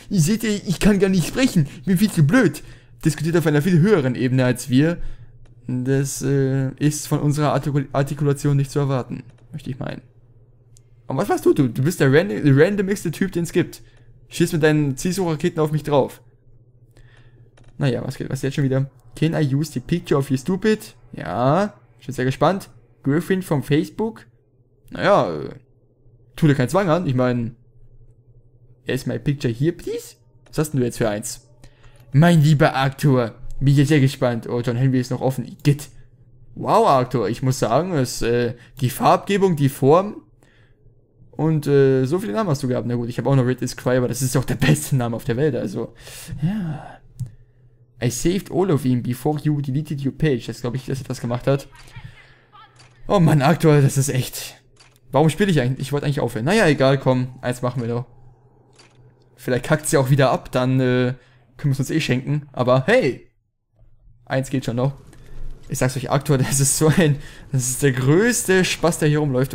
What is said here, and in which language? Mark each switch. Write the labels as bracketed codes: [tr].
[de] Ihr seht, ich kann gar nicht sprechen. Ich bin viel zu blöd. Diskutiert auf einer viel höheren Ebene als wir. Das ist von unserer Artikulation nicht zu erwarten, möchte ich meinen. Und was machst du? Du bist der randomste Typ, den es gibt. Schieß mit deinen Zielsuchraketen auf mich drauf. Naja, was geht? Was ist jetzt schon wieder? [en] Can I use the picture of you stupid? [de] Ja, schon sehr gespannt. Griffin von Facebook? Naja, tu dir keinen Zwang an. Ich meine, [en] is my picture here, please? [de] Was hast denn du jetzt für eins? Mein lieber Arthur, bin ich sehr gespannt. Oh, John Henry ist noch offen. Git. Wow, Arthur, ich muss sagen, es die Farbgebung, die Form und so viele Namen hast du gehabt. Na gut, ich habe auch noch Ridley Scribe, aber das ist doch der beste Name auf der Welt, also. Ja. [en] I saved all of him before you deleted your page. [de] Das glaube ich, dass er das gemacht hat. Oh Mann, Arthur, das ist echt. Warum spiele ich eigentlich? Ich wollte eigentlich aufhören. Naja, egal, komm, eins machen wir doch. Vielleicht kackt sie auch wieder ab, dann können wir es uns eh schenken. Aber hey, eins geht schon noch. Ich sag's euch, Arthur, das ist so ein, das ist der größte Spaß, der hier rumläuft.